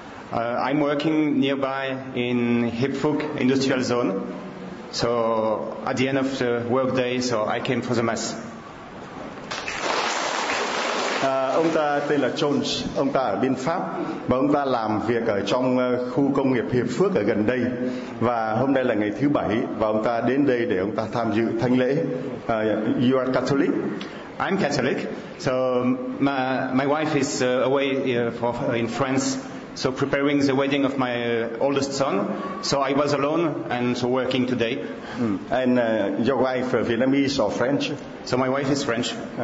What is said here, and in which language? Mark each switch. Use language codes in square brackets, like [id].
[en] I'm working nearby in Hiệp Phúc Industrial Zone. So at the end of the work day, so I came for the mass. [vi] Ông ta tên là Jones, ông ta ở bên Pháp và ông ta làm việc ở trong khu công nghiệp Hiệp Phước ở gần đây. Và hôm nay là ngày thứ bảy và ông ta đến đây để ông ta tham dự thánh lễ. [en] You are Catholic? I'm Catholic. So my wife is away in France, so preparing the wedding of my oldest son. So I was alone and so working today. And your wife Vietnamese or French? So my wife is French.